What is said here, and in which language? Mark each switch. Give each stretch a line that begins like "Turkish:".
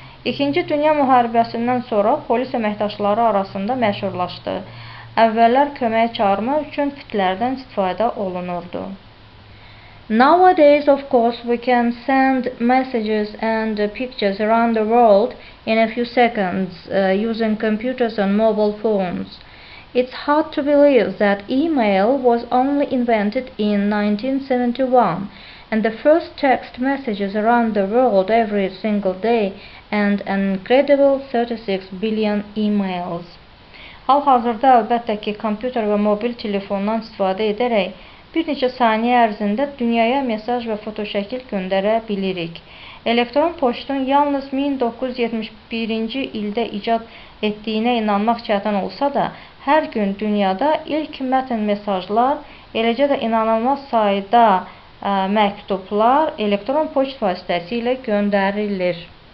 Azerbaijani: İkinci Dünya müharibəsindən sonra polis əməkdaşları arasında məşhurlaşdı. Əvvəllər kömək çağırmaq üçün fitlərdən istifadə olunurdu.
English: Nowadays, of course, we can send messages and pictures around the world in a few seconds using computers and mobile phones. It's hard to believe that email was only invented in 1971 and the first text messages around the world every single day and an incredible 36 billion emails.
Azerbaijani: Hal-hazırda əlbəttə ki, kompüter və mobil telefondan istifadə edərək bir neçə saniyə ərzində dünyaya mesaj və fotoşəkil göndərə bilirik. Elektron poçtun yalnız 1971-ci ildə icad etdiyinə inanmaq çətin olsa da, hər gün dünyada ilk mətn mesajlar, eləcə də inanılmaz sayda məktublar elektron poçt vasitəsilə göndərilir.